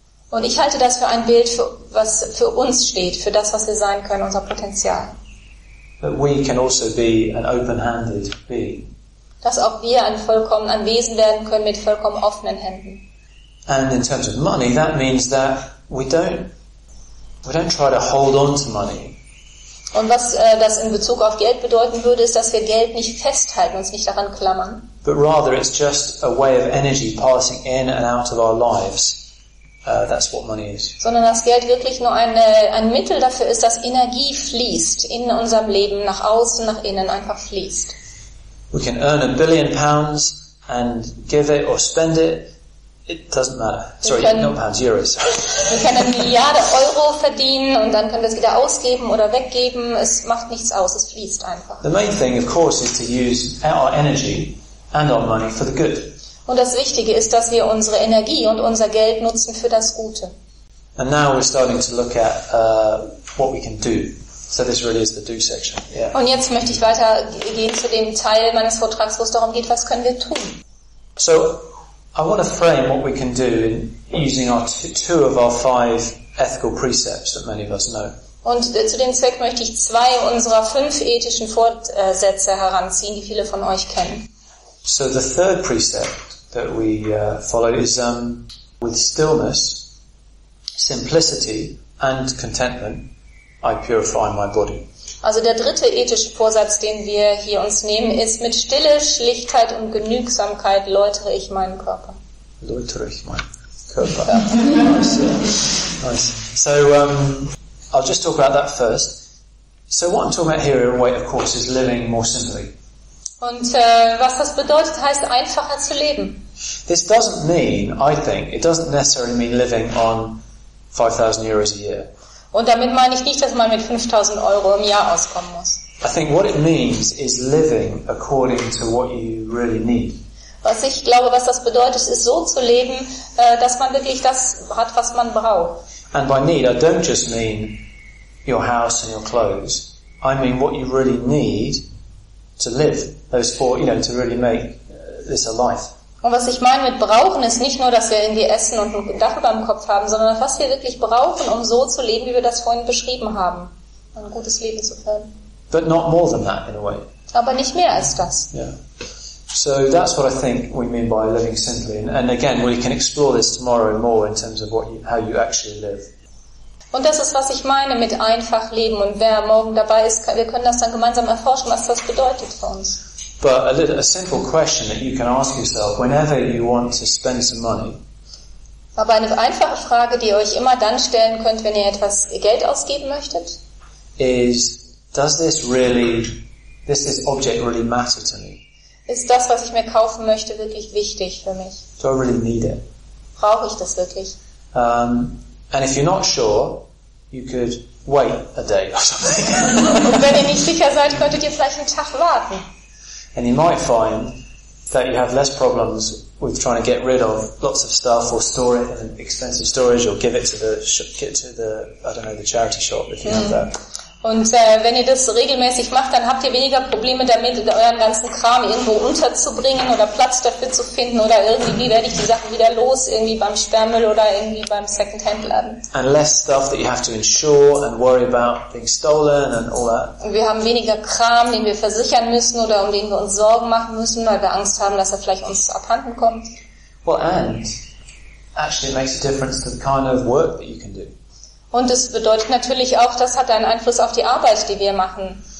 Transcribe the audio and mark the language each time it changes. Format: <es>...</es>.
<de>Und ich halte das für ein Bild, was für uns steht, für das, was wir sein können, unser Potenzial.</de> <en>That we can also be an open-handed being.</en> <de>Dass auch wir ein Wesen werden können mit vollkommen offenen Händen.</de> <en>And in terms of money, that means that we don't try to hold on to money.</en> <de>Und was das in Bezug auf Geld bedeuten würde, ist, dass wir Geld nicht festhalten, uns nicht daran klammern.</de> <en>But rather it's just a way of energy passing in and out of our lives. That's what money is.</en> <de>Sondern dass Geld wirklich nur ein Mittel dafür ist, dass Energie fließt in unserem Leben, nach außen, nach innen, einfach fließt.</de> <en>We can earn £1 billion and give it or spend it. It doesn't matter. Sorry, not pounds, euros.</en> <de>Wir können 1 Milliarde Euro verdienen und dann können wir es wieder ausgeben oder weggeben. Es macht nichts aus, es fließt einfach.</de> <en>The main thing, of course, is to use our energy and our money for the good.</en> <de>Und das Wichtige ist, dass wir unsere Energie und unser Geld nutzen für das Gute.</de> <en>And now we're starting to look at what we can do. So this really is the do section. Yeah.</en> <de>Und jetzt möchte ich weitergehen zu dem Teil meines Vortrags, wo es darum geht, was können wir tun?</de> <en>So I want to frame what we can do in using our two of our 5 ethical precepts that many of us know.</en> <de>Und zu dem Zweck möchte ich 2 unserer 5 ethischen Vorsätze heranziehen, die viele von euch kennen.</de> <en>So the third precept that we follow is with stillness, simplicity and contentment, I purify my body.</en> <de>Also der dritte ethische Vorsatz, den wir hier uns nehmen, ist mit Stille, Schlichtheit und Genügsamkeit läutere ich meinen Körper. Läutere ich meinen Körper. Nice.</de> <en>So I'll just talk about that first. So what I'm talking about here in a way, of course, is living more simply.</en> <de>Und was das bedeutet, heißt einfacher zu leben.</de> <en>This doesn't mean, I think, it doesn't necessarily mean living on 5,000 euros a year.</en> <de>Und damit meine ich nicht, dass man mit 5,000 Euro im Jahr auskommen muss.</de> <en>I think what it means is living according to what you really need.</en> <de>Was ich glaube, was das bedeutet, ist so zu leben, dass man wirklich das hat, was man braucht.</de> <en>And by need, I don't just mean your house and your clothes. I mean what you really need to live. Those 4, you know, to really make this a life.</en> <de>Und was ich meine mit brauchen, ist nicht nur, dass wir irgendwie essen und ein Dach über dem Kopf haben, sondern was wir wirklich brauchen, um so zu leben, wie wir das vorhin beschrieben haben, ein gutes Leben zu führen.</de> <en>But not more than that, in a way.</en> <de>Aber nicht mehr als das. Yeah.</de> <en>So that's what I think we mean by living simply. And again, we can explore this tomorrow more in terms of how you actually live.</en> <de>Und das ist, was ich meine mit einfach leben. Und wer morgen dabei ist, wir können das dann gemeinsam erforschen, was das bedeutet für uns.</de> <en>But a simple question that you can ask yourself whenever you want to spend some money.</en> <de>Aber eine einfache Frage, die ihr euch immer dann stellen könnt, wenn ihr etwas Geld ausgeben möchtet,</de> <en>is, does this really, does this object really matter to me?</en> <de>Ist das, was ich mir kaufen möchte, wirklich wichtig für mich?</de> <en>Do I really need it?</en> <de>Brauche ich das wirklich?</de> <en>And if you're not sure, you could wait a day or something.</en> <de>Und wenn ihr nicht sicher seid, könntet ihr vielleicht einen Tag warten.</de> <en>And you might find that you have less problems with trying to get rid of lots of stuff or store it in expensive storage or give it to the charity shop if you have that.</en> <de>Und wenn ihr das regelmäßig macht, dann habt ihr weniger Probleme damit, euren ganzen Kram irgendwo unterzubringen oder Platz dafür zu finden oder irgendwie, wie werde ich die Sachen wieder los, irgendwie beim Sperrmüll oder irgendwie beim Secondhand-Laden.</de> <en>And less stuff that you have to insure and worry about being stolen and all that.</en> <de>Und wir haben weniger Kram, den wir versichern müssen oder um den wir uns Sorgen machen müssen, weil wir Angst haben, dass er vielleicht uns abhanden kommt.</de> <en>Well, and Actually, it makes a difference to the kind of work that you can do.</en> <de>Und es bedeutet natürlich auch, das hat einen Einfluss auf die Arbeit, die wir machen.</de>